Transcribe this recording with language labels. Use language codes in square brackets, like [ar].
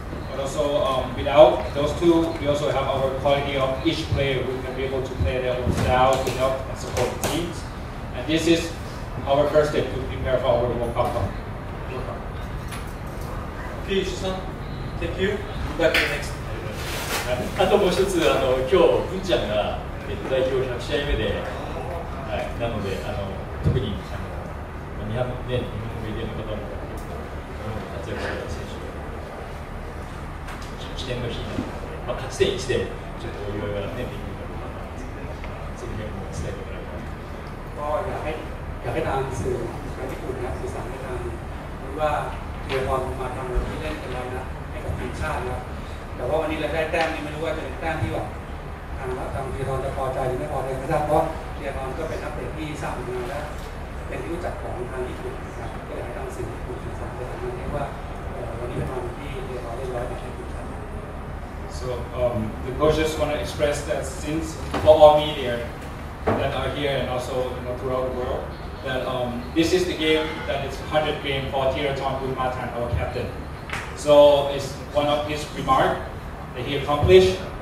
[en] But also without those two, we also have our quality of each player. We can be able to play their own style to help and support the teams. And this is our first step to prepare for our World Cup. Okay, Ishii-san, thank you. Good luck next. [ja] あともう一つ、今日文ちゃんが、代表100試合目で、はい、なので、特に日本のメディアの方も活躍した選手が、記念の日なので、まあ、勝ち点1で、ちょっとお祝いができるかどうかなと思いますので、その辺も伝えてもらいたい [th] แต่ว่าวันนี้เราได้แต้มนี่ไม่รู้ว่าจะเป็นแต้มที่แบบทางทีรอนจะพอใจหรือไม่พอใจก็ได้เพราะทีรอนก็เป็นนักเตะที่สร้างผลงานและเป็นที่รู้จักของทางญี่ปุ่นนะก็เลยทำสิ่งที่ญี่ปุ่นสั่งเลยทำให้ว่าวันนี้เป็นวันที่ทีรอนได้ร้อยในญี่ปุ่นครับ [en] so the coach just want to express that since for all media that are here and also you know throughout the world that this is the game that is 100 game for Thiraton Bumatan our captain so it'sOne of his remark that he accomplished,